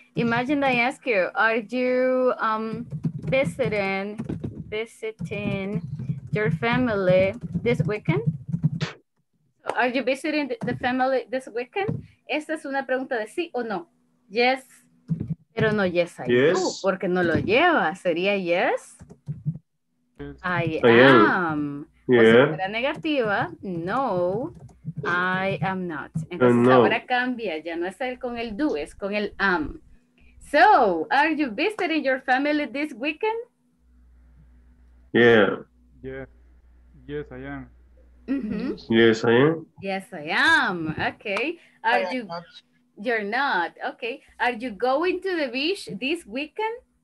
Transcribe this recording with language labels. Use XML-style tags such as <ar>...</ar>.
<en>Imagine I ask you, are you visiting your family this weekend? Are you visiting the family this weekend?</en> <es>Esta es una pregunta de sí o no. Yes, pero no yes I yes. do, porque no lo lleva. Sería</es> <en>yes, I am.</en> <es>Yeah. O si fuera negativa, no,</es> <en>I am not.</en> <es>Entonces no. Ahora cambia, ya no es con el do, es con el am.</es> <en>So, are you visiting your family this weekend? Yeah. Yeah. Yes, I am. Mm-hmm. Yes, I am. Yes, I am. Okay. Are you? Not. You're not. Okay. Are you going to the beach this weekend?</en>